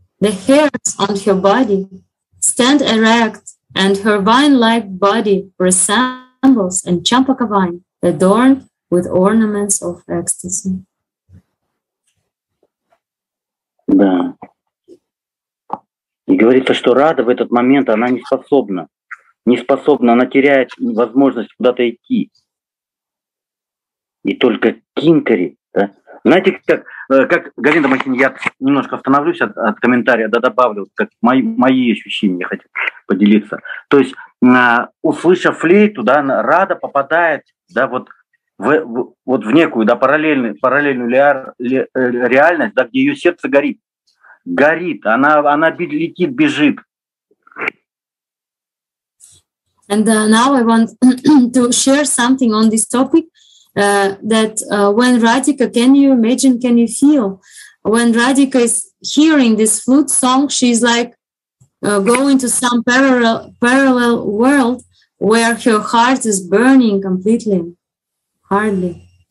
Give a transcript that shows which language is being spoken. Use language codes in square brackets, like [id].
[en] The hairs on her body stand erect, and her vine-like body resembles a champaka vine adorned with ornaments of ecstasy. [ru] Да. И говорится, что Рада в этот момент, она не способна, она теряет возможность куда-то идти. И только Кинкари, да? Знаете, как Галина Махини, я немножко остановлюсь от комментария, да, добавлю, как мои ощущения хотят поделиться. То есть, услышав флейту, да, Рада попадает, да, вот в некую, да, параллельную реальность, да, где ее сердце горит, она летит, бежит. [en] And now I want to share something on this topic that when Radhika, can you imagine, can you feel when Radhika is hearing this flute song, she's like going to some parallel world where her heart is burning completely, hardly.